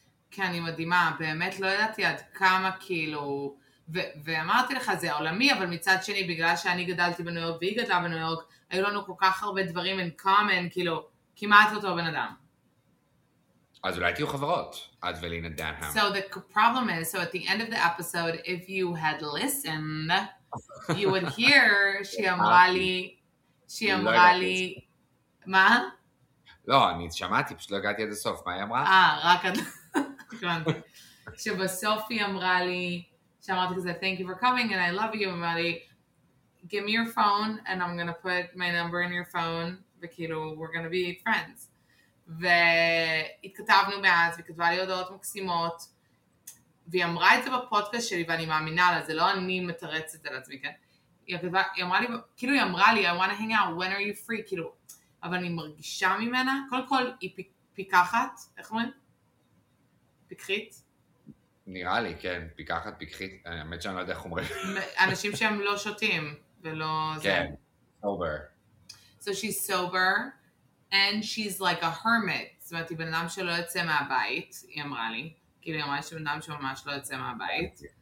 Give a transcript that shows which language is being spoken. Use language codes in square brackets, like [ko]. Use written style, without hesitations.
[he] כן, היא מדהימה, באמת לא ידעתי עד כמה כאילו... ואמרתי לך, זה העולמי, אבל מצד שני, בגלל שאני גדלתי בניו יורק והיא גדלה בניו יורק, היו לנו כל כך הרבה דברים [en] in common, [he] כאילו, כמעט אותו בן אדם. אז אולי תהיו חברות, את ולינה דנהם. [en] So the problem is, so at the end of the episode, if you had listened, you would hear [he] שהיא אמרה לי, שהיא אמרה לי, מה? לא, אני שמעתי, פשוט לא הגעתי עד הסוף, מה היא אמרה? רק עד... שבסוף היא אמרה לי, שאמרתי כזה, [en] thank you for coming and I love you, [he] אמרה לי, [en] give me your phone and I'm gonna put my number in your phone, [he] וכאילו, [en] we're gonna be friends. [he] והתכתבנו מאז, והיא כתבה לי הודעות מקסימות, והיא אמרה את זה בפודקאסט שלי, ואני מאמינה לה, זה לא אני מתרצת על עצמי, כן? היא אמרה לי, [en] I wanna hang out, when are you free, [he] כאילו, אבל אני מרגישה ממנה, קודם כל, היא פיקחת, איך אומרים? פיקחית? נראה לי, כן, פיקחת, פיקחית, האמת שאני לא יודע איך אומרים. אנשים שהם לא שותים, ולא זה. כן, sober. [en] So she's sober, and she's like a hermit. [he] זאת אומרת, היא בן אדם שלא יוצא מהבית, היא אמרה לי, כאילו היא אמרה שבן אדם שממש לא יוצא מהבית.